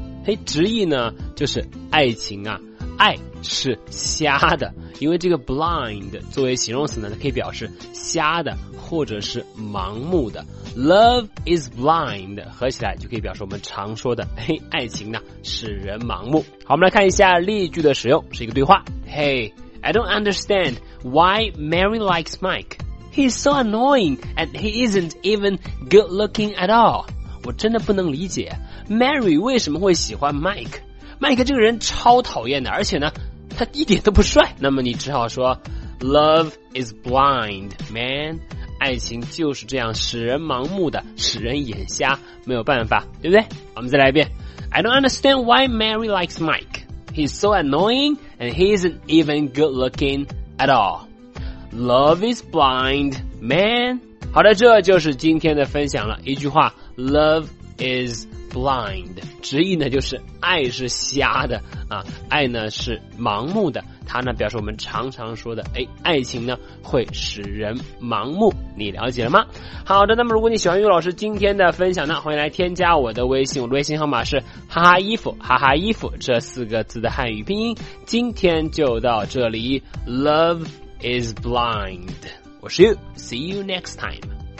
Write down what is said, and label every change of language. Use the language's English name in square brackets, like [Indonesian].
[Chinese] 嘿，直译呢，就是爱情啊，爱是瞎的。因为这个 blind 作为形容词呢，它可以表示瞎的或者是盲目的。 [English] Love is blind [Chinese] 合起来就可以表示我们常说的，嘿，爱情呢使人盲目。好，我们来看一下例句的使用，是一个对话。 [English] Hey, I don't understand why Mary likes Mike. He's so annoying and he isn't even good looking at all. [Chinese] 我真的不能理解 Mary 为什么会喜欢 Mike。 Mike 这个人超讨厌的，而且呢他一点都不帅。那么你只好说 [English] Love is blind, man. [Chinese] 爱情就是这样使人盲目的，使人眼瞎，没有办法，对不对？我们再来一遍。 [English] I don't understand why Mary likes Mike. He's so annoying and he isn't even good looking at all. Love is blind, man. [Chinese] 好的，这就是今天的分享了。一句话， [English] Love is blind, [Chinese] 直译呢就是爱是瞎的啊，爱呢是盲目的。它呢表示我们常常说的，哎，爱情呢会使人盲目，你了解了吗？好的，那么如果你喜欢岳老师今天的分享呢，欢迎来添加我的微信，我的微信号码是哈哈衣服，哈哈衣服这四个字的汉语拼音。今天就到这里， [English] Love is blind, [Chinese] 我是 [English] you, see you next time.